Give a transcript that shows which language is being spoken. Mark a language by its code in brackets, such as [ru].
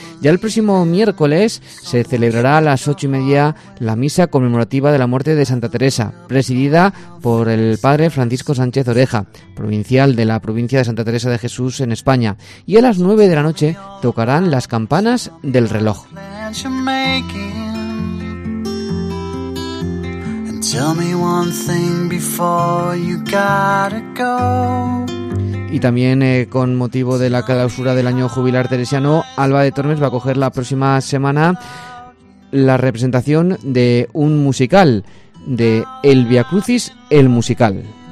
[es] Ya el próximo miércoles se celebrará a las 8:30 la misa conmemorativa de la muerte de Santa Teresa, presidida por el padre Francisco Sánchez Oreja, provincial de la provincia de Santa Teresa de Jesús en España. Y a las 9 de la noche tocarán las campanas del reloj. [en] Tell me one thing before you gotta go. [es] Y también con motivo de la clausura del año jubilar teresiano, Alba de Tormes va a coger la próxima semana la representación de un musical, de El Viacrucis, el musical.